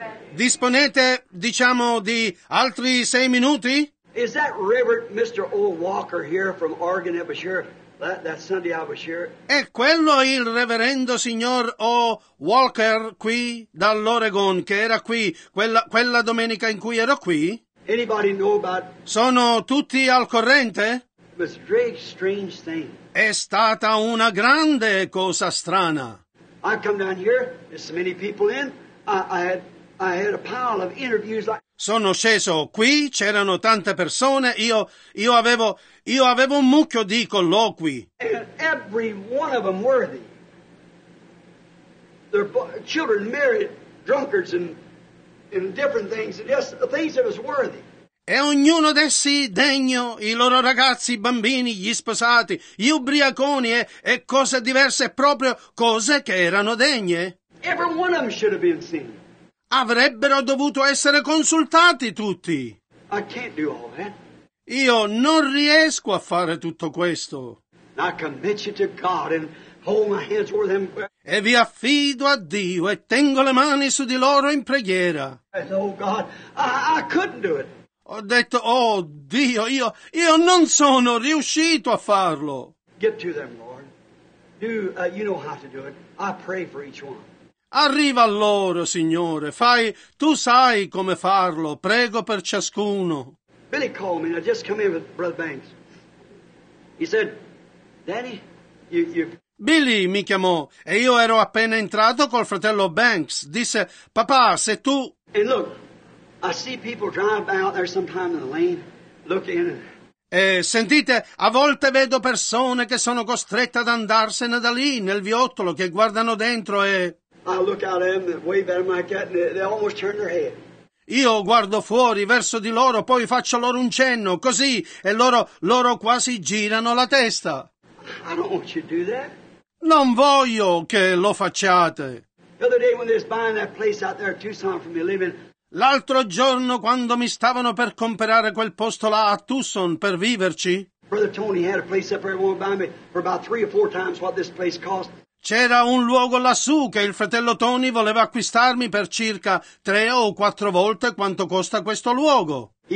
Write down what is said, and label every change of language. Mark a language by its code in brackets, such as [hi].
[it] Disponete, diciamo, di altri sei minuti? [en] Is that Reverend Mr. Old Walker here from Oregon that was here that Sunday I was here? [it] È quello il reverendo signor O. Walker qui dall'Oregon che era qui quella domenica in cui ero qui? [en] Anybody know about? [it] Sono tutti al corrente? [en] It was a very strange thing. [it] È stata una grande cosa strana. [en] I come down here, there's so many people in. I had a pile of interviews like. [it] Sono sceso qui, c'erano tante persone, io avevo un mucchio di colloqui. [en] And every one of them worthy. Their children married drunkards and different things, and just the things that was worthy. [it] E ognuno d'essi degno, i loro ragazzi, i bambini, gli sposati, gli ubriaconi e cose diverse, proprio cose che erano degne. [en] Every one of them should have been seen. [it] Avrebbero dovuto essere consultati tutti. [en] I can't do all that. [it] Io non riesco a fare tutto questo. [en] I commit you to God and hold my hands over them. [it] E vi affido a Dio e tengo le mani su di loro in preghiera. [en] Oh God, I couldn't do it. [it] Ho detto, oh Dio, io non sono riuscito a farlo. [en] Get to them, Lord. You know how to do it. I pray for each one. [it] Arriva a loro, Signore. Fai, tu sai come farlo. Prego per ciascuno. [en] Billy called me. I just come in with Brother Banks. He said, Daddy, you. [it] Billy mi chiamò e io ero appena entrato col fratello Banks. Disse, papà, se tu. [en] And look, I see people drive by out there sometime in the lane. Look in. [it] E sentite, a volte vedo persone che sono costrette ad andarsene da lì, nel viottolo, che guardano dentro e. [en] I look out at them, wave at them like that, and they almost turn their head. [it] Io guardo fuori verso di loro, poi faccio loro un cenno, così, e loro quasi girano la testa. [en] I don't want you to do that. [it] Non voglio che lo facciate. [en] The other day when they was buying that place out there in Tucson for me living. [it] L'altro giorno quando mi stavano per comprare quel posto là a Tucson per viverci. [en] Brother Tony had a place up there one by me for about three or four times what this place cost. [it] C'era un luogo lassù che il fratello Tony voleva acquistarmi per circa tre o quattro volte quanto costa questo luogo.